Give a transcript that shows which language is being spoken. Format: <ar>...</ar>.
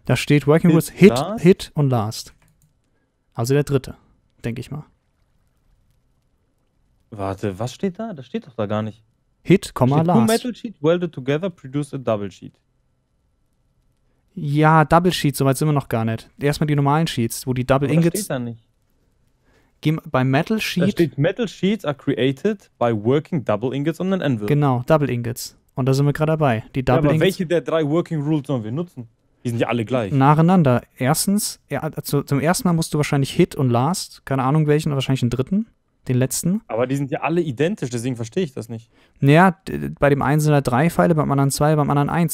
<de>Da steht Working Rules, Hit und Last. Also der dritte, denke ich mal. Warte, was steht da? Das steht doch da gar nicht. Hit, steht last.</de> <en>Two metal sheet welded together produce a double sheet.</en> <de>Ja, double sheet, soweit sind wir noch gar nicht. Erstmal die normalen Sheets, wo die double ingots... Das steht da nicht. Bei metal sheet... Da steht,</de> <en>metal sheets are created by working double ingots on an anvil.</en> <de>Genau, double ingots. Und da sind wir gerade dabei. Die double ingots... Aber welche der drei working rules sollen wir nutzen? Die sind ja alle gleich. Nacheinander. Erstens, zum ersten Mal musst du wahrscheinlich hit und last, keine Ahnung welchen, wahrscheinlich den dritten. Den letzten. Aber die sind ja alle identisch, deswegen verstehe ich das nicht. Naja, bei dem einen sind da drei Pfeile, beim anderen zwei, beim anderen eins.</de>